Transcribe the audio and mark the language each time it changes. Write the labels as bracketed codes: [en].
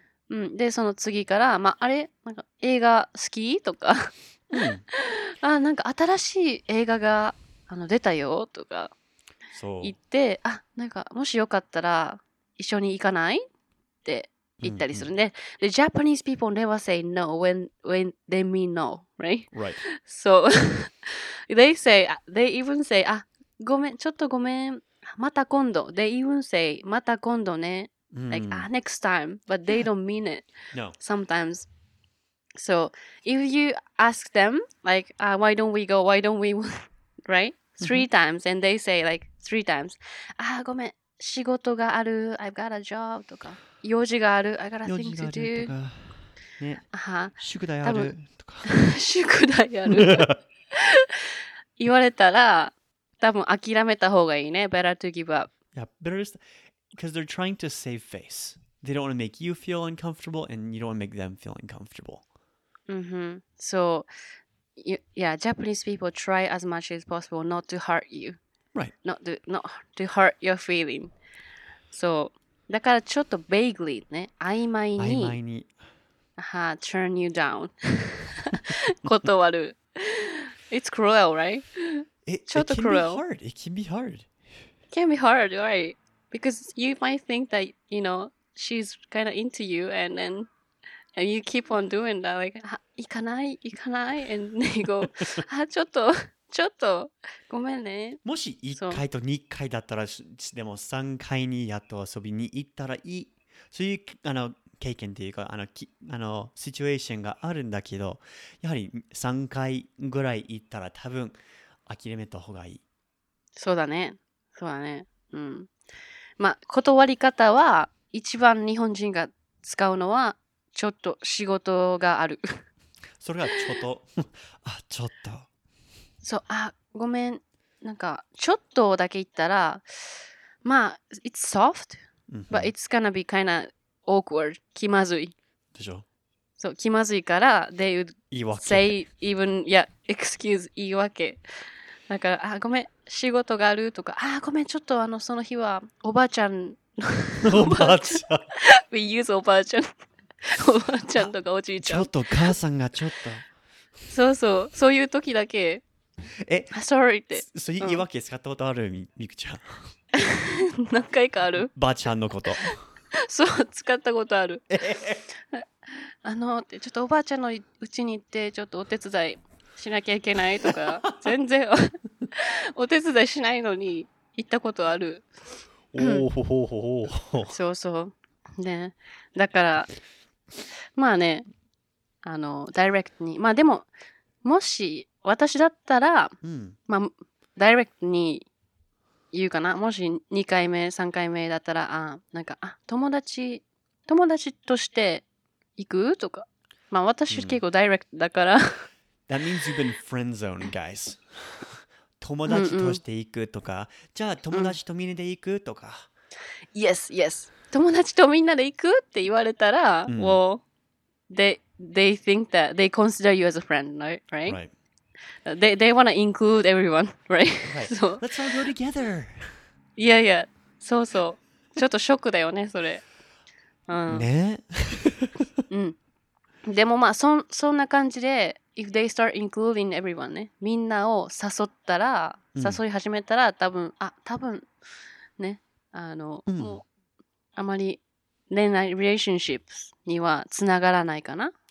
[ja] うん、でその次からまああれなんか映画好きとか、うん。あ、なんか新しい映画が出たよとか言って、あ、なんかもしよかったら一緒に行かないって言ったりするね。Mm-hmm. [en] The Japanese people never say no when they mean no, right? Right. So, they say, they even say, [ja] あ、ごめん、ちょっとごめん、また今度。 [en] They even say, [ja] また今度ね。 [en] Mm-hmm. Like, ah, next time. But they don't mean it. No. Sometimes. So, if you ask them, like, ah, why don't we go, why don't we, right? Three mm-hmm. times. And they say, like, three times, ah, [ja] ごめん、仕事がある、 [en] I've got a job, とか。 [ja] 用事がある、 [en] I got a thing to do. [ja] 用事があるとか、ね、宿題ある、とか。宿題ある。言われたら、多分諦めた方がいいね。 [en] Better to give up. Yeah, better just, because they're trying to save face. They don't want to make you feel uncomfortable, and you don't want to make them feel uncomfortable. Mm-hmm. So, yeah, Japanese people try as much as possible not to hurt you. Right. Not to hurt your feeling. [ja] So,だからちょっと vaguely ね、曖昧に、はあ、 [en] turn you down [ja] 断る。 [en] It's cruel, right? It can be hard, right? Because you might think that, you know, she's kind of into you and you keep on doing that, like, [ja] 行かない? And you go, ちょっと、ごめんね。もし1回と2回だったら、でも3回にやっと遊びに行ったらいい。そういうあの経験というか、あのシチュエーションがあるんだけど、やはり3回ぐらい行ったら多分諦めた方がいい。そうだね。うん。まあ、断り方は、一番日本人が使うのは、ちょっと仕事がある。それはちょっと。あ、ちょっと。そう、あ、ごめん、なんかちょっとだけ言ったら、まあ、 [en] it's soft, but it's gonna be kind of awkward, [ja] 気まずい。でしょ？ [en] そう、 [ja] 気まずいから、 [en] they would say even, yeah, excuse, 言い訳。 [ja] なんか、あ、ごめん、仕事があるとか、あ、ごめん、ちょっとあの、その日はおばあちゃんの。 おばあちゃん。 [en] We use [ja] おばあちゃん。おばあちゃんとかおじいちゃん。ちょっと母さんがちょっと。そうそう、そういう時だけ。 Sorry って。そういう言い訳使ったことある、うん、みくちゃん。何回かある？ばあちゃんのこと。そう、使ったことある。あの、ちょっとおばあちゃんのうちに行って、ちょっとお手伝いしなきゃいけないとか、全然お手伝いしないのに行ったことある。おおほほほほ。そうそう。ね。だから、まあね、あの、ダイレクトに。まあでも、もし、私だったら、うん、まあ、ダイレクトに言うかな。もし2回目、3回目だったら、あ、なんか、あ、友達として行くとか。まあ、私結構ダイレクトだから。う [en] ん、That means you've been friend zone, guys. [ja] 友達として行くとか。うんうん、じゃあ、友達とみんなで行くとか。 [en] Yes, yes. [ja] 友達とみんなで行くって言われたら、 [en] うん、they think that they consider you as a friend, right? Right. They want to include everyone, right? Right. So, let's all go together. Yeah, yeah. So, so. [ja] ちょっとショックだよね、それ。ね。うん。でもまあ、そんな感じで、 [en] if they start including everyone [ja] ね、みんなを誘ったら、誘い始めたら、多分、ね、あの、もう、あまり恋愛 relationships にはつながらないかな。